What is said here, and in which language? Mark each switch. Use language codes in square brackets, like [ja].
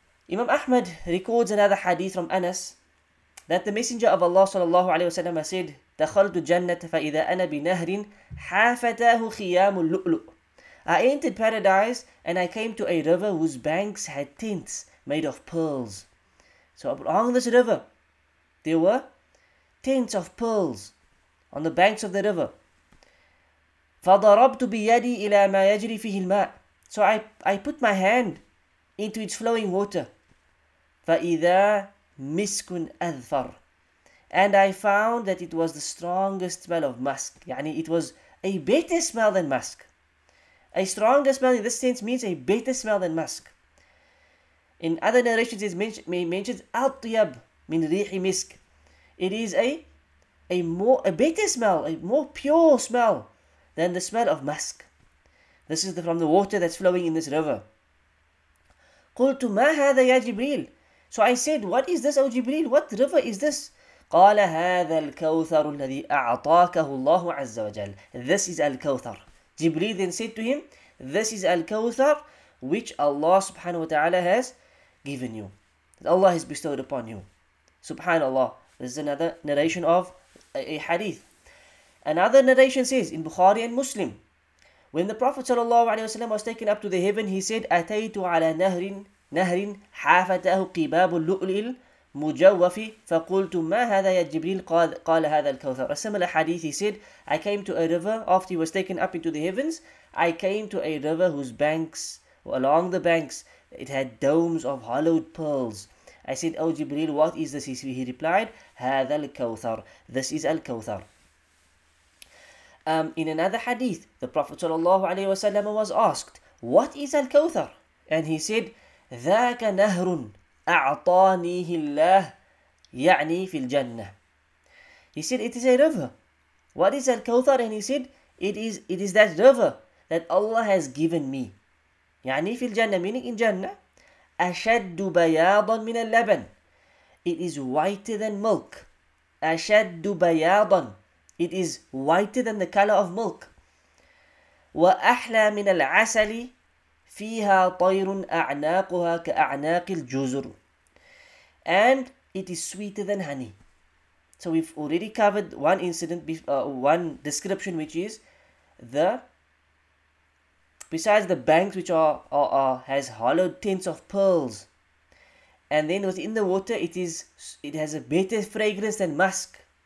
[en] Imam Ahmad records another hadith from Anas that the Messenger of Allah ﷺ said, [ar] دخلت الجنة فإذا أنا بنهر حافتاه خيام اللؤلؤ. [en] I entered paradise and I came to a river whose banks had tents made of pearls. So along this river, there were tents of pearls on the banks of the river. [ar] فضربت بيدي إلى ما يجري فيه الماء. [en] So I put my hand into its flowing water. [ar] فإذا مسك أذفر. [en] And I found that it was the strongest smell of musk. Yani it was a better smell than musk. A stronger smell in this sense means a better smell than musk. In other narrations it mentions al-tiyab min rihi misk. It is a more pure smell than the smell of musk. This is from the water that's flowing in this river. [ar] قلت ما هذا يا جبريل. [en] So I said, what is this, O Jibreel? What river is this? [ar] قال هذا الكوثر الذي أعطاكه الله عز وجل. [en] This is Al-Kawthar. Jibreel then said to him, this is Al-Kawthar which Allah subhanahu wa ta'ala has given you. Allah has bestowed upon you. Subhanallah. This is another narration of a hadith. Another narration says in Bukhari and Muslim, when the Prophet sallallahu alayhi wa sallam was taken up to the heaven, he said, [ar] أَتَيْتُ عَلَى نَهْرٍ حَافَتَهُ قِبَابُ اللُّؤْلِ مُجَوَّفِ فَقُلْتُ مَا هَذَا يَا جِبْرِيلِ قَالَ هَذَا الْكَوْثَرِ. [en] A similar hadith, he said, I came to a river after he was taken up into the heavens. I came to a river whose banks, or along the banks, it had domes of hollowed pearls. I said, O Jibreel, what is this? He replied, [ar] هَذَا الْكَوْثَرِ. [en] This is الْكَوْثَرِ. In another hadith, the Prophet sallallahu alayhi wa sallam was asked, what is الْكَوْثَرِ? And he said, [ar] ذَاكَ نَهْرٌ أعطانيه الله يعني في الجنة. [en] He said, it is a river. What is Al-Kawthar? And he said, it is that river that Allah has given me. [ar] يعني في الجنة, [en] meaning in Jannah. [ar] أشد بياضا من اللبن. [en] It is whiter than milk. [ar] أشد بياضا. [en] It is whiter than the color of milk. [ar] وأحلى من العسل. فيها طير أعناقها كأعناق الجزر. [en] And it is sweeter than honey. So we've already covered one incident, one description, which is the, besides the banks which are has hollowed tints of pearls, and then within the water it has a better fragrance than musk.